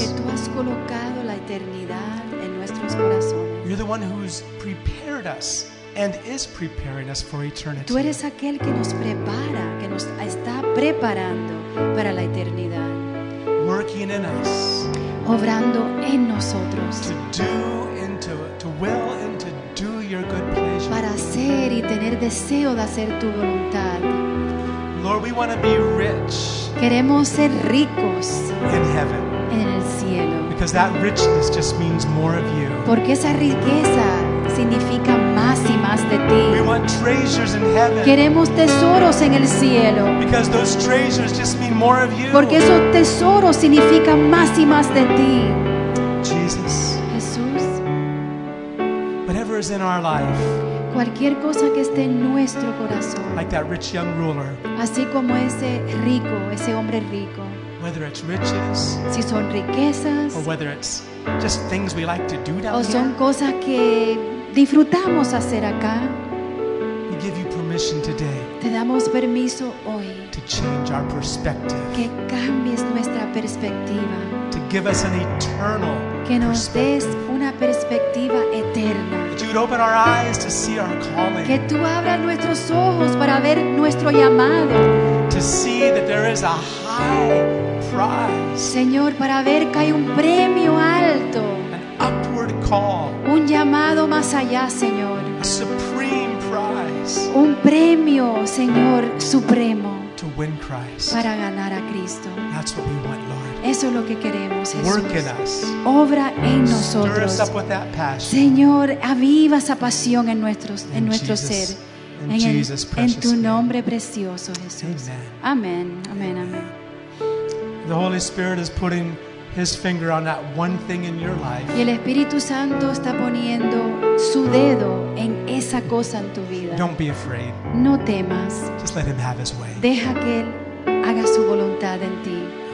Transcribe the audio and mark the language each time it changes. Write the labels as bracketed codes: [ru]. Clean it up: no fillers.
[es] Que tú has colocado la eternidad en nuestros corazones. [en] You're the one who's prepared us and is preparing us for eternity. [es] Tú eres aquel que nos prepara, que nos está preparando para la eternidad. [en] Working in us. [es] Obrando en nosotros. [en] To do and to will and to do your good pleasure. [es] Para hacer y tener deseo de hacer tu voluntad. [en] Lord, we want to be rich. [es] Queremos ser ricos [en] in heaven. [es] En el cielo. [en] Because Because that richness just means more of you. [es] Porque esa riqueza significa más y más de ti. [en] We want treasures in heaven. [es] Queremos tesoros en el cielo. [en] Because those treasures just mean more of you. [es] Porque esos tesoros significan más y más de ti. [en] Jesus. [es] Jesús. [en] Whatever is in our life. [es] Cualquier cosa que esté en nuestro corazón. [en] Like that rich young ruler. [es] Así como ese hombre rico. [en] Whether it's riches, [es] si son riquezas, [en] or whether it's just things we like to do down [es] here, o son cosas que disfrutamos hacer acá, [en] we give you permission today, [es] te damos permiso hoy, [en] to change our perspective, [es] que cambies nuestra perspectiva, [en] to give us an eternal, [es] que nos des una perspectiva eterna, [en] that you would open our eyes to see our calling, [es] que tú abras nuestros ojos para ver nuestro llamado, [en] to see that there is a high [es] Señor, para ver que hay un premio alto, [en] an upward call, [es] un llamado más allá, Señor, [en] a supreme prize, [es] un premio, Señor, supremo, [en] to win Christ, [es] para ganar a Cristo. [en] That's what we want, Lord. [es] Eso es lo que queremos, Jesús. [en] Work in us. [es] Obra en nosotros. [en] Stir us up with that passion. [es] Señor, aviva esa pasión en nuestro ser. En tu nombre precioso, Jesús. Amén. Amén. Amén. [en] The Holy Spirit is putting His finger on that one thing in your life. [es] Y el Espíritu Santo está poniendo su dedo en esa cosa en tu vida. [en] Don't be afraid. [es] No temas. [en] Just let Him have His way. [es] Deja que Él haga su voluntad en ti.